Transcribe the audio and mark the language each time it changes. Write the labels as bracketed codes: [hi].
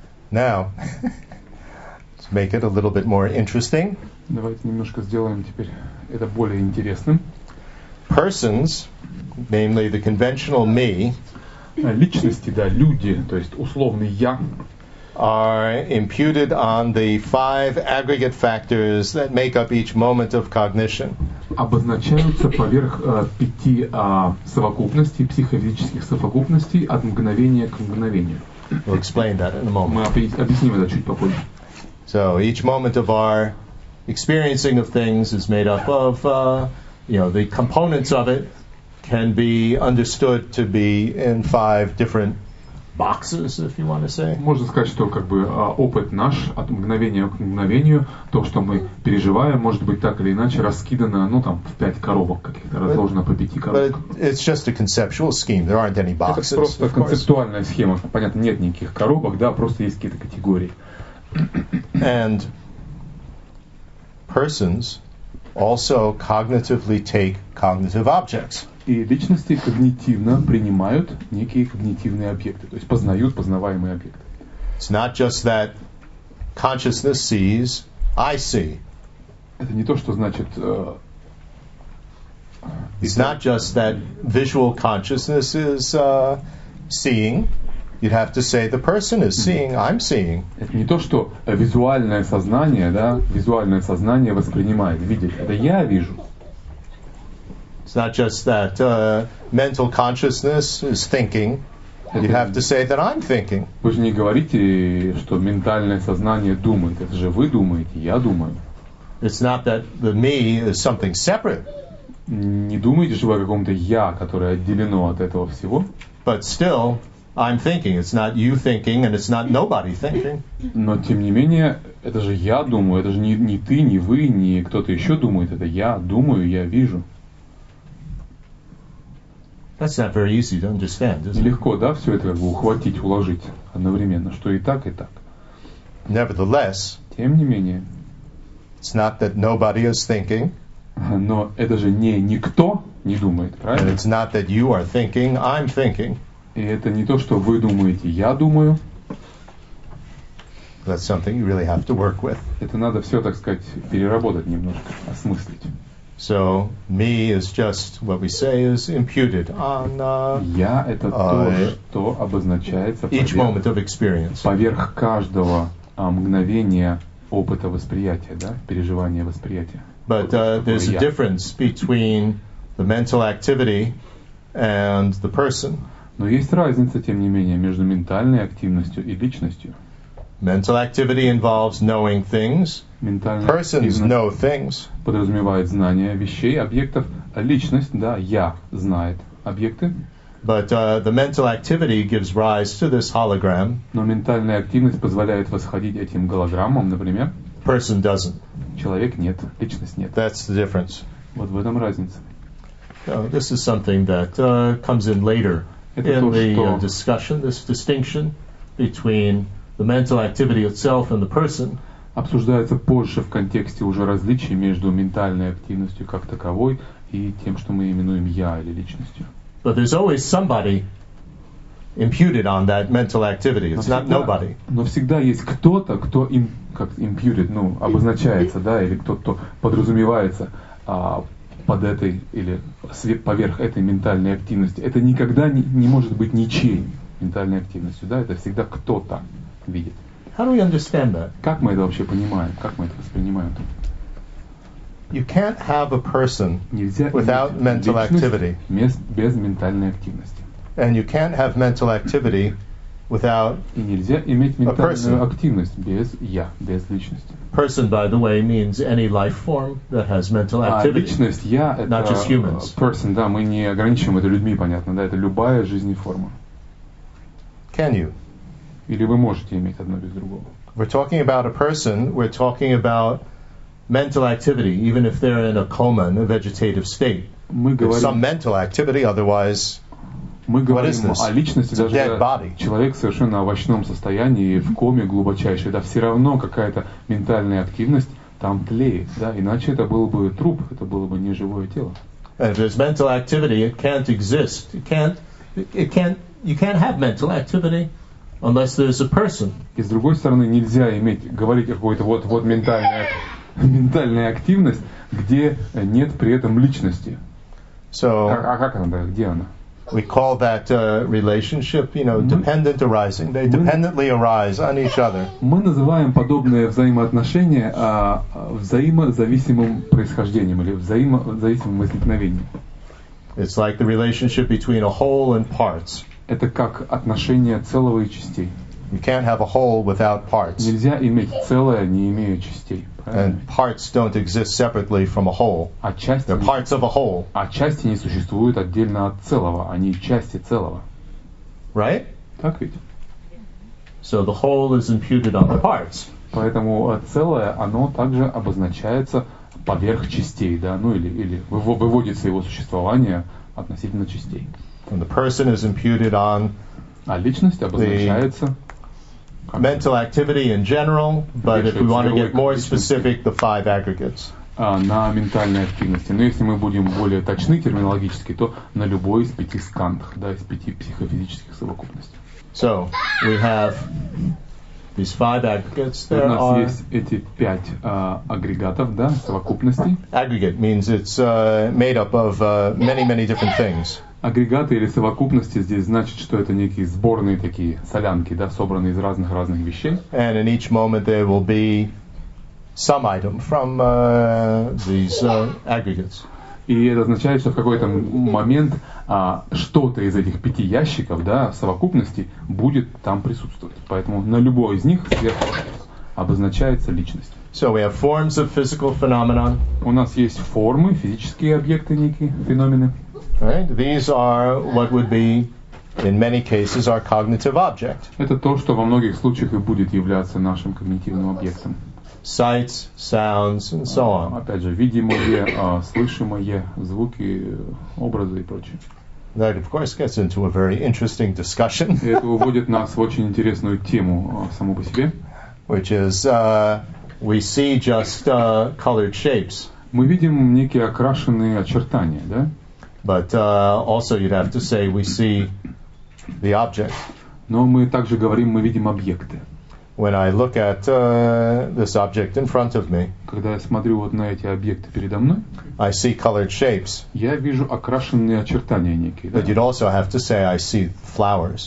[en] Now, let's make it a little bit more interesting. [ru] Давайте немножко сделаем теперь это более интересным. [en] persons, namely the conventional me, [ru] личности, да, люди, то есть условный я, [en] are imputed on the five aggregate factors that make up each moment of cognition. [ru] Обозначаются поверх пяти совокупностей, психофизических совокупностей от мгновения к мгновению. [en] We'll explain that in a moment. [ru] Мы объясним это чуть попозже. [en] So each moment of our experiencing of things is made up of, you know, the components of it can be understood to be in five different boxes, if you want to say. [ru] Можно сказать, что как бы опыт наш от мгновения к мгновению, то, что мы переживаем, может быть так или иначе раскидано, ну там в пять коробок каких-то, разложено по пяти коробок. [en] But it's just a conceptual scheme. There aren't any boxes. [ru] Это просто концептуальная схема. Понятно, нет никаких коробок, да, просто есть какие-то категории. [en] And persons also cognitively take cognitive objects. [ru] И личности когнитивно принимают некие когнитивные объекты, то есть познают познаваемые объекты. [en] It's not just that consciousness sees, I see. [ru] Это не то, что значит. [en] It's not just that visual consciousness is seeing. You'd have to say the person is seeing, I'm seeing. [ru] Это не то, что визуальное сознание, да, визуальное сознание воспринимает, видит. Это я вижу. [en] It's not just that mental consciousness is thinking. You'd have to say that I'm thinking. [ru] Вы же не говорите, что ментальное сознание думает. Это же вы думаете, я думаю. [en] It's not that the me is something separate. [ru] Не думаете же вы о каком-то я, которое отделено от этого всего? [en] But still, I'm thinking. It's not you thinking, and it's not nobody thinking. [ru] Но тем не менее, это же я думаю. Это же не ты, не вы, не кто-то еще думает. Это я думаю, я вижу. [en] That's not very easy to understand, isn't it? [ru] Легко, да, все это как бы ухватить, уложить одновременно, что и так, и так. [en] Nevertheless, [ru] тем не менее, [en] it's not that nobody is thinking. [ru] Но это же не никто не думает, правильно? [en] It's not that you are thinking, I'm thinking. [ru] И это не то, что вы думаете, я думаю. [en] That's something you really have to work with. [ru] Это надо все, так сказать, переработать немножко, осмыслить. [en] So me is just what we say is imputed on. [ru] Я это то, что обозначается [en] each moment of experience. [ru] Поверх каждого мгновения опыта восприятия, да, переживания восприятия. [en] But there's a difference between the mental activity and the person. [ru] Но есть разница, тем не менее, между ментальной активностью и личностью. [en] Mental activity involves knowing things. [ru] Ментальная [en] persons know things. [ru] Подразумевает знание вещей, объектов. А личность, да, я, знает объекты. [en] But the mental activity gives rise to this hologram. [ru] Но ментальная активность позволяет восходить этим голограммам, например. [en] Person doesn't. [ru] Человек нет, личность нет. [en] That's the difference. [ru] Вот в этом разница. [en] This is something that comes in later. [ru] Это [en] in the [ru] что... [en] discussion, this distinction between the mental activity itself and the person. [ru] Обсуждается позже в контексте уже различий между ментальной активностью как таковой и тем, что мы именуем я или личностью. [en] But there's always somebody imputed on that mental activity. It's not nobody. [ru] Но всегда есть кто-то, кто им как [en] imputed, [ru] ну, обозначается, да, или кто-то подразумевается под этой или поверх этой ментальной активности. Это никогда не может быть ничьей ментальной активностью, да, это всегда кто-то видит. [en] How do we understand that? [ru] Как мы это вообще понимаем? Как мы это воспринимаем? [en] You can't have a person [ru] нельзя [en] without mental activity. [ru] Без ментальной активности. [en] And you can't have mental activity without [ru] и нельзя иметь ментальную активность без я, без личности. [en] Person, by the way, means any life form that has mental activity. [ru] А личность, я, это [en] not just humans. Person, [ru] да, мы не ограничиваем это людьми, понятно, да, это любая жизненная форма. [en] Can you? [ru] Или вы можете иметь одно без другого. [en] We're talking about a person, we're talking about mental activity, even if they're in a coma, in a vegetative state. [ru] Мы говорим, [en] some mental activity, otherwise, [ru] мы говорим [en] what is this? [ru] О личности, [en] it's [ru] даже [en] a dead body. [ru] Человек в совершенно овощном состоянии, в коме глубочайшей, да, все равно какая-то ментальная активность там тлеет, да, иначе это был бы труп, это было бы неживое тело. [en] And if there's mental activity, it can't exist, you can't have mental activity. Unless there's a person. [ru] И с другой стороны, нельзя иметь, говорить о какой-то вот-вот ментальной активности, где нет при этом личности. [en] So, [ru] а как она, где она? [en] We call that relationship, you know, dependent arising. They dependently arise on each other. [ru] Мы называем подобные взаимоотношения взаимозависимым происхождением или взаимозависимым возникновением. [en] It's like the relationship between a whole and parts. [ru] Это как отношение целого и частей. [en] You can't have a whole without parts. [ru] Нельзя иметь целое, не имея частей. [en] And parts don't exist separately from a whole. They're parts of a whole. [ru] А части не существуют отдельно от целого, они части целого. [en] Right? [ru] Так ведь? [en] So the whole is imputed on the parts. [ru] Поэтому целое, оно также обозначается поверх частей, да, ну или выводится его существование относительно частей. [en] And the person is imputed on. [ru] А личность обозначается. [en] Mental activity in general, but if we want to get more specific, the five aggregates. [ru] На ментальной активности. Но если мы будем более точны терминологически, то на любой из пяти скандх, да, из пяти психофизических совокупностей. [en] So, we have these five aggregates. There are. [ru] У нас есть эти пять агрегатов, да, совокупностей. [en] Aggregate means it's made up of many, many different things. [ru] Агрегаты или совокупности здесь значит, что это некие сборные такие солянки, да, собранные из разных-разных вещей. [en] And in each moment there will be some item from these aggregates. [ru] И это означает, что в какой-то момент что-то из этих пяти ящиков, да, совокупности будет там присутствовать. Поэтому на любой из них сверху обозначается личность. [en] So we have forms of physical phenomena. [ru] У нас есть формы, физические объекты некие, феномены. [en] Right? These are what would be, in many cases, our cognitive object. [ru] Это то, что во многих случаях и будет являться нашим когнитивным объектом. [en] Sights, sounds, and so on. [ru] Опять же, видимое, слышимое, звуки, образы и прочее. [en] That, of course, gets into a very interesting discussion. [ru] Это уводит нас в очень интересную тему саму по себе. [en] Which is, we see just colored shapes. [ru] Мы видим некие окрашенные очертания, да? [en] But also you'd have to say we see the object. [ru] Но мы также говорим, мы видим объекты. [en] When I look at this object in front of me, [ru] когда я смотрю вот на эти объекты передо мной, [en] I see colored shapes. [ru] Я вижу окрашенные очертания некие. [en] But you'd also have to say I see flowers.